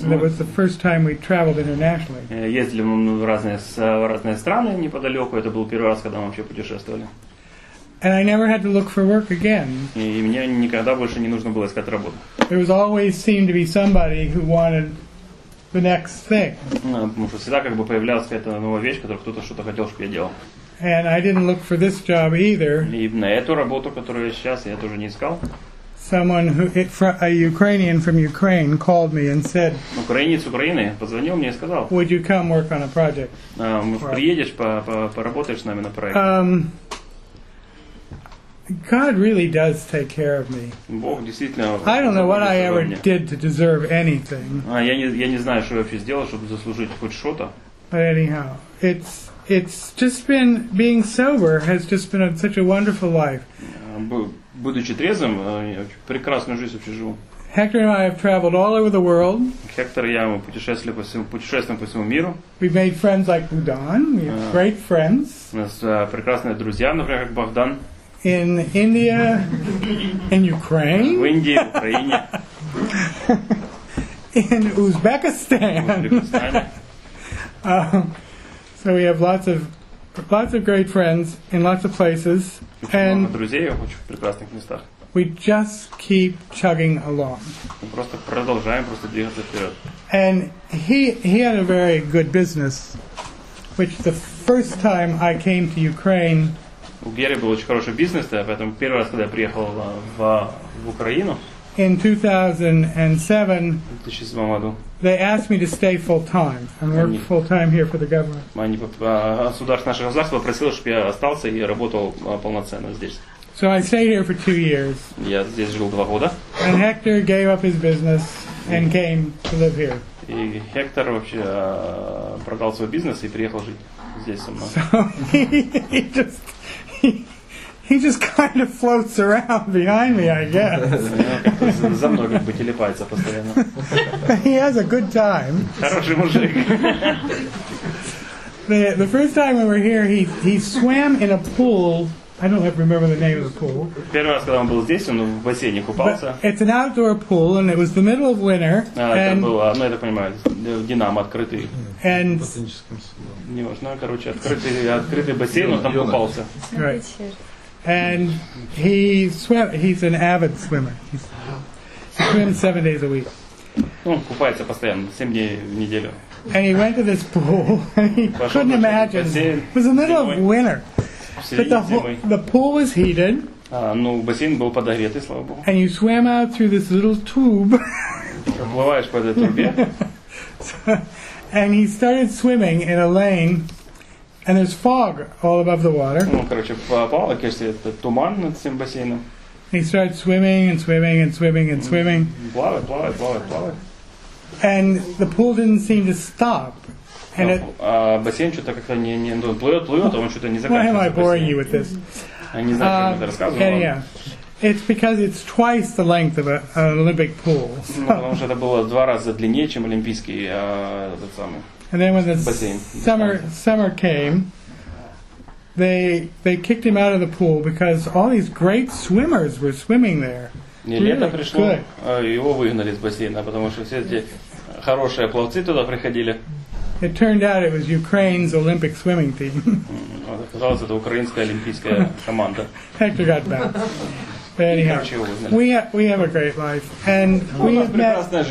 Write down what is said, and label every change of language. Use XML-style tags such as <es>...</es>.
<en>That was the first time we traveled internationally.</en> <ru>Ездили мы в разные страны неподалеку. Это был первый раз, когда мы вообще путешествовали.</ru> <en>And I never had to look for work again.</en> <ru>И мне никогда больше не нужно было искать работу.</ru> <en>There was always seemed to be somebody who wanted the next thing.</en> <ru>Потому что всегда как бы появлялась какая-то новая вещь, которую кто-то что-то хотел, чтобы я делал.</ru> <en>And I didn't look for this job either.</en> <ru>И на эту работу, которую сейчас, я тоже не искал.</ru> <en>Someone who a Ukrainian from Ukraine called me and said.</en> <ru>Украинец Украины позвонил мне и сказал.</ru> <en>Would you come work on a project?</en> <ru>Приедешь поработаешь с нами на проекте.</ru> <en>God really does take care of me.</en> <ru>Бог действительно.</ru> <en>I don't know what I ever did to deserve anything.</en> <ru>Я не знаю, что я вообще сделал, чтобы заслужить хоть что-то.</ru> <en>But anyhow, it's just been being sober has just been such a wonderful life.</en> <ru>Будучи трезвым, я прекрасную жизнь вообще живу.</ru> <en>Hector and I have traveled all over the world.</en> <ru>Hector и я мы путешествовали по всему миру.</ru> <en>We made friends like Udon. We have great friends.</en> <ru>У нас прекрасные друзья, например, как Богдан.</ru> <en>In India, in Ukraine.</en> <ru>В Индии, в Украине.</ru> <en>In Uzbekistan. So we have lots of great friends in lots of places. And</en> <ru>друзей в очень прекрасных местах.</ru> <en>We just keep chugging along.</en> <ru>Мы просто продолжаем просто двигаться вперед.</ru> <en>And he had a very good business, which the first time I came to Ukraine.</en> <ru>У Гери был очень хороший бизнес, да, поэтому первый раз, когда я приехал в Украину.</ru> <en>In 2007.</en> <ru>В 2007 году.</ru> <en>They asked me to stay full time and work full time here for the government.</en> <ru>Они государство наше государство просило, чтобы я остался и работал полноценно здесь.</ru> <en>So I stayed here for 2 years.</en> <ru>Я здесь жил 2 года.</ru> <en>And Hector gave up his business and came to live here.</en> <ru>И Хектор вообще продал свой бизнес и приехал жить здесь со мной.</ru> <en>So he just kind of floats around behind me, I guess.</en> <ru>За мной как бы телепается постоянно.</ru> <en>He has a good time.</en> <ru>Хороший мужик.</ru> <en>The first time we were here, he swam in a pool. I don't remember the name of the pool.</en> <ru>Первый раз, когда он был здесь, он в бассейне купался.</ru> <en>It's an outdoor pool, and it was the middle of winter.</en> <ru>Я так понимаю, Динамо открытый.</ru> <en>And</en> <ru>не важно, короче, открытый бассейн, он там купался.</ru> <en>Right. And he's an avid swimmer. He swims 7 days a week.</en> <ru>Он купается постоянно, 7 дней в неделю.</ru> <en>And he went to this pool, and he couldn't imagine. It was the middle of winter. the pool was heated.</en> <ru>Ну, бассейн был подогретый, слава богу.</ru> <en>And you swam out through this little tube.</en> <ru>Проплываешь по этой трубе.</ru> <en>And he started swimming in a lane, and there's fog all above the water.</en> <ru>Ну, короче, плавал, кажется, это туман над всем бассейном.</ru> <en>He started swimming and swimming and swimming and swimming.</en> <ru>Плавает.</ru> <en>And the pool didn't seem to stop. And it.</en> <ru>Бассейн что-то как-то не плывет, а он что-то не заканчивается.</ru> <en>Why am I boring you with this?</en> <ru>Не знаю, чем это рассказывал.</ru> <en>Yeah. It's because it's twice the length of an Olympic pool.</en> <ru>Потому что это было два раза длиннее, чем олимпийский этот самый.</ru> <en>And then when the summer came, they kicked him out of the pool because all these great swimmers were swimming there.</en> <ru>Не, лето пришло, его выгнали из бассейна, потому что все эти хорошие пловцы туда приходили.</ru> <en>It turned out it was Ukraine's Olympic swimming team.</en> <ru>Оказалось, это украинская олимпийская команда.</ru> <en>Hector got back. Anyhow, we have a great life, and we've met.</en>